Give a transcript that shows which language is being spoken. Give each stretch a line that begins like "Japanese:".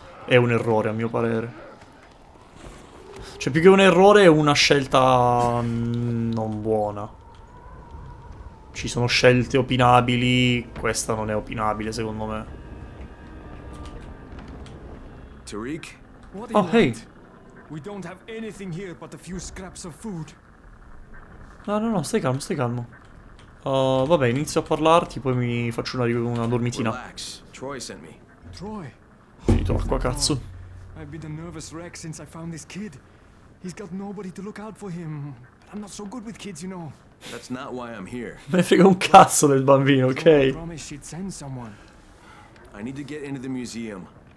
Italian: È un errore, a mio parere. Cioè, più che un errore, è una scelta... non buona. Ci sono scelte opinabili, questa non è opinabile, secondo me.
English: Tariq? Oh, hey! We don't have anything here but a few scraps of food.
Italian: No, no, no, stai calmo, stai calmo. Vabbè, inizio a parlarti, poi mi faccio una dormitina.
English: Relax. Troy sent me. Troy?
Italian: Finito l'acqua, cazzo.
English: I've been a nervous wreck since I found this kid. He's got nobody to look out for him. But I'm not so good with kids, you know. That's not why I'm here.
Italian: Me frega un cazzo del bambino, ok?
English: I promise she'd send someone. I need to get into the museum.